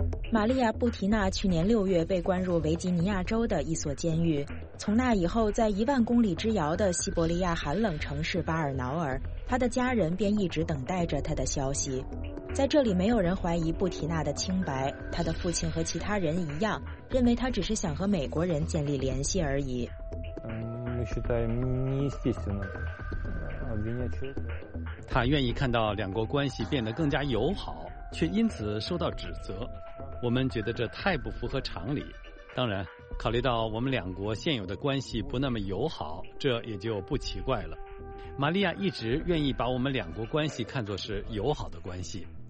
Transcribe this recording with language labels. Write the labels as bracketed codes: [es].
[zh] 玛利亚·布提娜去年6月被关入维吉尼亚州的一所监狱，从那以后在10000公里之遥的西伯利亚寒冷城市巴尔瑙尔，她的家人便一直等待着她的消息。在这里没有人怀疑布提娜的清白，她的父亲和其他人一样认为她只是想和美国人建立联系而已。 [ru] считаем неестественным обвинять человека. [zh] 他愿意看到两国关系变得更加友好，却因此受到指责。我们觉得这太不符合常理。当然，考虑到我们两国现有的关系不那么友好，这也就不奇怪了。玛利亚一直愿意把我们两国关系看作是友好的关系。